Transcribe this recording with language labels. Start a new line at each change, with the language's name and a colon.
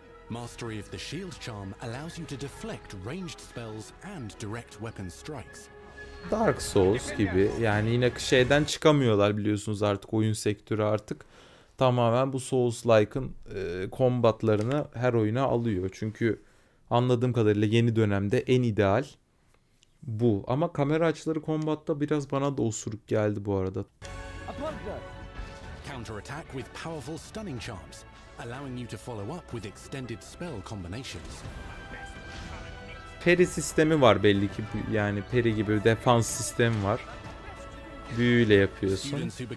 English: Mastery of the shield charm allows you to deflect ranged spells and direct weapon strikes.
Turkish: Dark Souls gibi. Yani yine şeyden çıkamıyorlar biliyorsunuz artık, oyun sektörü artık tamamen bu Souls-like'ın kombatlarını her oyuna alıyor. Çünkü anladığım kadarıyla yeni dönemde en ideal bu. Ama kamera açıları kombatta biraz bana da osuruk geldi bu arada.
English: Counter-attack with powerful stunning charms, allowing you to follow up with extended spell combinations.
Turkish: Peri sistemi var belli ki, yani peri gibi bir defans sistemi var. Büyüyle yapıyorsun.